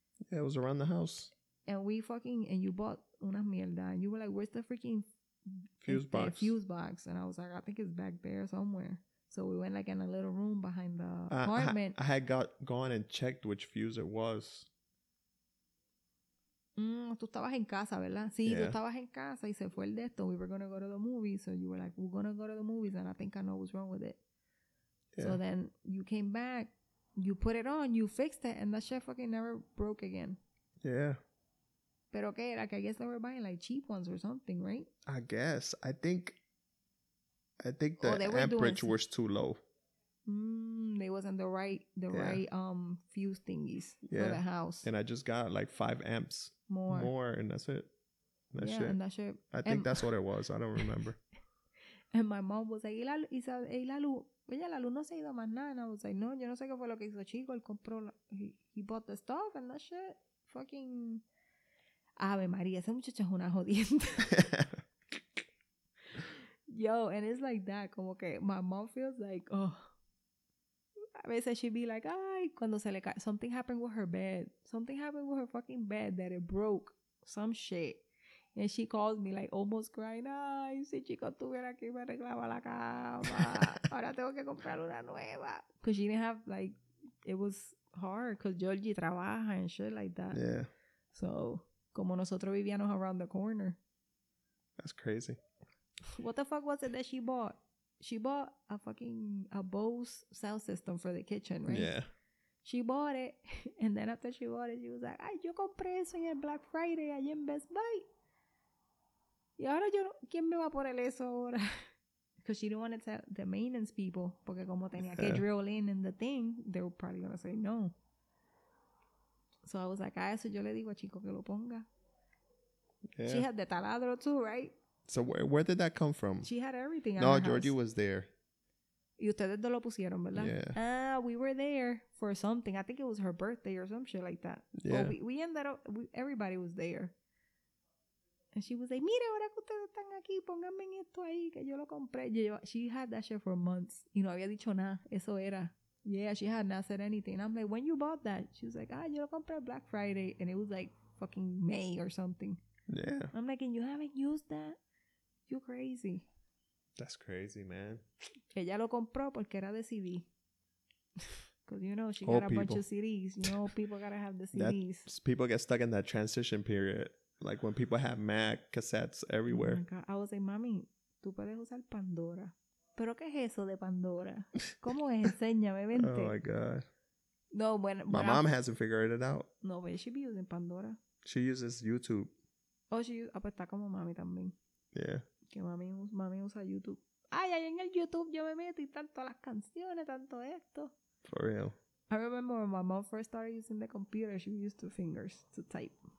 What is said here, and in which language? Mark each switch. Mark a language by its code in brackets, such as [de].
[en] Yeah, it was around the house. And we fucking, and you bought [es] una mierda. [en] And you were like, where's the freaking fuse box? And I was like, I think it's back there somewhere. So we went like in a little room behind the apartment. I had gone and checked which fuse it was. [es] Tú estabas en casa, ¿verdad? Sí, yeah. Tú estabas en casa y se fue el de esto. [en] We were going to go to the movies. So you were like, we're going to go to the movies. And I think I know what's wrong with it. Yeah. So then you came back. You put it on. You fixed it. And that shit fucking never broke again. Yeah. [es] Pero qué era, que [en] I guess they were buying like cheap ones or something, right? I guess. I think the amperage was too low. They wasn't the right fuse thingies for the house. And I just got like 5 amps. More, and that's it. That shit. I think that's what it was. I don't remember. And my mom was like, [es] y la luz no se ha ido más nada. And I was like, no, yo no sé qué fue lo que hizo chico. Él compró, [en] he bought the stuff and that shit. [es] Fucking Ave María, ese muchacho es una jodienta. [en] Yo, and it's like that. Como que my mom feels like, oh. A veces she'd be like, [es] ay, cuando se le cae. [en] Something happened with her bed. Something happened with her fucking bed that it broke. Some shit. And she calls me like almost crying. [es] Ay, si chico tuviera que me arreglaba la cama. Ahora tengo que comprar una nueva. [en] Because she didn't have, like, it was hard. Because Georgie [es] trabaja [en] and shit like that. Yeah. [es] So, como nosotros vivíamos [en] around the corner. That's crazy. What the fuck was it that she bought? She bought a fucking a Bose sound system for the kitchen, right? Yeah. She bought it, and then after she bought it, she was like, [es] "Ay, yo compré eso en Black Friday allí en Best Buy." Y ahora yo, ¿quién me va a poner eso ahora? [en] Because she didn't want to tell the maintenance people, [es] porque como tenía que [en] drill in the thing, they were probably gonna say no. [es] So I was like, "A eso yo le digo a chico que lo ponga." [en] Yeah. She had the taladro too, right? So where did that come from? She had everything. No, Georgie was there. [es] Y ustedes no lo pusieron, ¿verdad? [en] Yeah. We were there for something. I think it was her birthday or some shit like that. Yeah. But we ended up, everybody was there. And she was like, [es] mira, ahora que ustedes están aquí, pónganme en esto ahí, que yo lo compré. [en] She had that shit for months. [es] Y no había dicho nada. Eso era. [en] Yeah, she had not said anything. And I'm like, when you bought that? She was like, [es] yo lo compré Black Friday. [en] And it was like fucking May or something. Yeah. I'm like, and you haven't used that? You crazy. That's crazy, man. [es] Ella lo compró porque era de CD. [en] Because, you know, she old got a people. Bunch of CDs. You know, people got to have the CDs. That, people get stuck in that transition period. Like when people have Mac cassettes everywhere. Oh my God. I was like, [es] mami, tú puedes usar Pandora. ¿Pero qué es eso de Pandora? ¿Cómo es? Enséñame, vente. [en] Oh, my God. [es] No, bueno. [en] My mom hasn't figured it out. No, but she be using Pandora. She uses YouTube. Oh, she [es] pues está como mami también. [en] Yeah. [es] Que mami usa YouTube. Ay, ahí en el YouTube yo me meto y tanto las canciones, tanto esto. [en] For real. I remember when my mom first started using the computer, she used 2 fingers to type.